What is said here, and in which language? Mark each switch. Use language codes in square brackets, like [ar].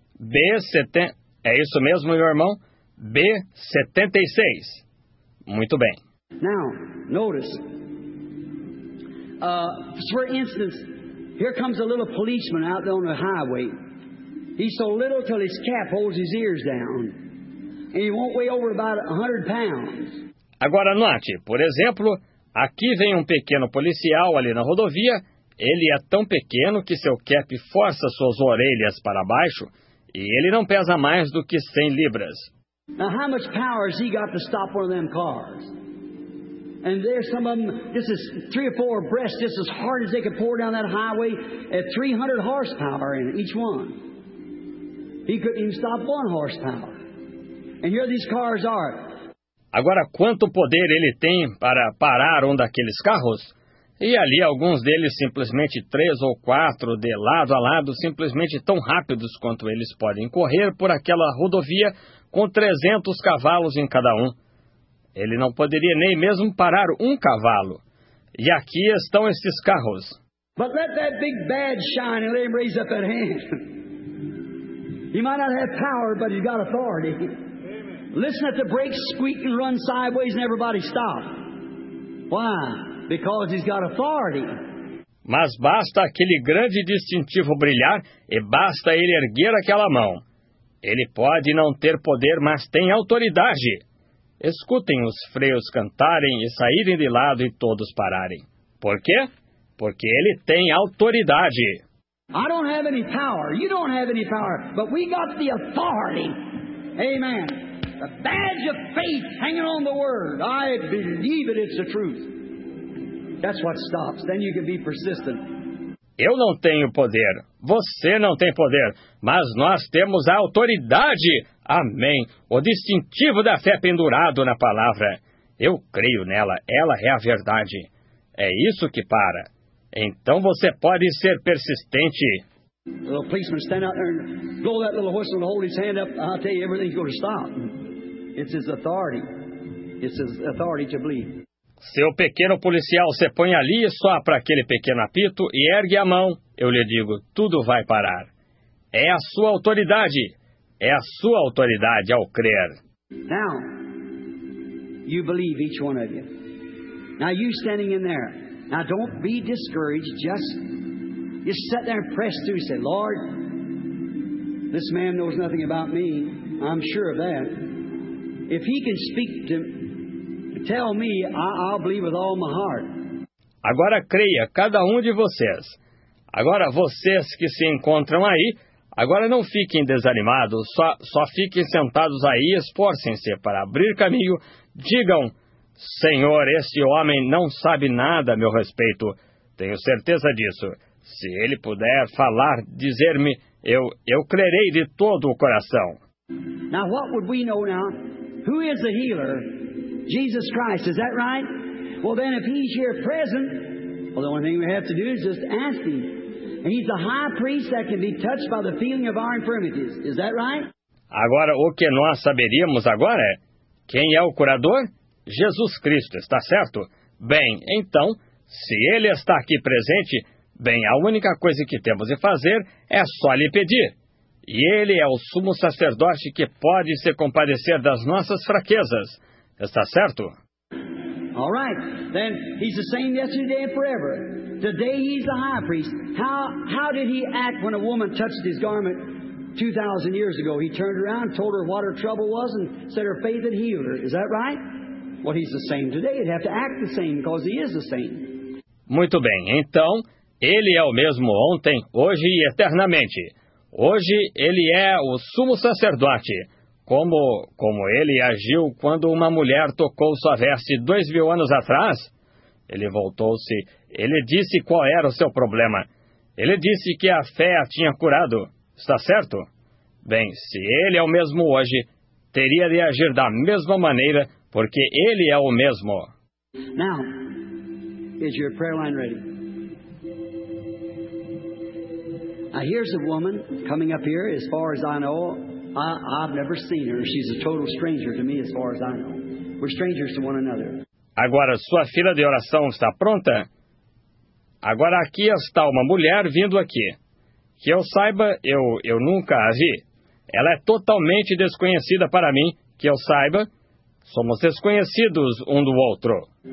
[pt] B70. É isso mesmo, meu irmão? B76. Muito bem. [en] Now, notice. For instance. Here comes a little policeman out there on the highway. He's so little till his cap holds his ears down. And he won't weigh over about 100 pounds. [pt] Agora note, por exemplo, aqui vem um pequeno policial ali na rodovia. Ele é tão pequeno que seu cap força suas orelhas para baixo. E ele não pesa mais do que 100 libras. [en] Now, how much power has he got to stop one of them cars? And there's some of them, this is three or four abreast, just as hard as they could pour down that highway at 300 horsepower in each one. He couldn't even stop one horsepower. And here these cars are. [pt] Agora, quanto poder ele tem para parar um daqueles carros? E ali alguns deles simplesmente três ou quatro de lado a lado, simplesmente tão rápidos quanto eles podem correr por aquela rodovia com 300 cavalos em cada um. Ele não poderia nem mesmo parar um cavalo. E aqui estão esses carros. [en] But let that big bad shine and let him raise up that hand. He might not have power, but he's got authority. Listen at the brakes squeak and run sideways and everybody stop. Why? Because he's got authority. [pt] Mas basta aquele grande distintivo brilhar e basta ele erguer aquela mão. Ele pode não ter poder, mas tem autoridade. Escutem os freios cantarem e saírem de lado e todos pararem. Por quê? Porque ele tem autoridade. [en] I don't have any power. You don't have any power. But we got the authority. Amen. The badge of faith hanging on the word. I believe it, it's the truth. That's what stops. Then you can be persistent. [pt] Eu não tenho poder. Você não tem poder. Mas nós temos a autoridade. Amém. O distintivo da fé pendurado na palavra. Eu creio nela. Ela é a verdade. É isso que para. Então você pode ser persistente. [en] O little policeman stand out there and blow that little whistle and hold his hand up. I'll tell you, everything's going to stop. It's his authority. It's his authority to believe. [pt] Seu pequeno policial se põe ali e sopra aquele pequeno apito e ergue a mão. Eu lhe digo, tudo vai parar. É a sua autoridade. É a sua autoridade ao crer. [en] Now, you believe each one of you. Now, you standing in there. Now, don't be discouraged. Just sit there and press through. Say, Lord, this man knows nothing about me. I'm sure of that. If he can speak to me, tell me, I'll believe with all my heart. [pt] Agora creia, cada um de vocês. Agora vocês que se encontram aí, agora não fiquem desanimados, só fiquem sentados aí, esforcem-se para abrir caminho. Digam, Senhor, esse homem não sabe nada a meu respeito. Tenho certeza disso. Se ele puder falar, dizer-me, eu crerei de todo o coração. [en] Now what would we know now? Who is the healer? Jesus Christ, is that right? Well, then if he's here present, well, the only thing we have to do is just ask him. And he's the high priest that can be touched by the feeling of our infirmities. Is that right? [pt] Agora, o que nós saberíamos agora é, quem é o curador? Jesus Cristo, está certo? Bem, então, se ele está aqui presente, bem, a única coisa que temos de fazer é só lhe pedir. E ele é o sumo sacerdote que pode se compadecer das nossas fraquezas. Está certo? [en] All right. Then he's the same yesterday and forever. Today he's the high priest. How did he act when a woman touched his garment 2,000 years ago? He turned around, told her what her trouble was, and said her faith had healed her. Is that right? Well, he's the same today. He'd have to act the same because he is the same. [pt] Muito bem. Então, ele é o mesmo ontem, hoje e eternamente. Hoje ele é o sumo sacerdote. Como ele agiu quando uma mulher tocou sua veste 2,000 anos atrás? Ele voltou-se. Ele disse qual era o seu problema. Ele disse que a fé a tinha curado. Está certo? Bem, se ele é o mesmo hoje, teria de agir da mesma maneira, porque ele é o mesmo. [en] Now, is your prayer line ready? Now, here's a woman coming up here, as far as I know. I've never seen her. She's a total stranger to me, as far as I know. We're strangers to one another. [pt] Agora, sua fila de oração está pronta? Agora, aqui está uma mulher vindo aqui. Que eu saiba, eu nunca a vi. Ela é totalmente desconhecida para mim. Que eu saiba, somos desconhecidos um do outro.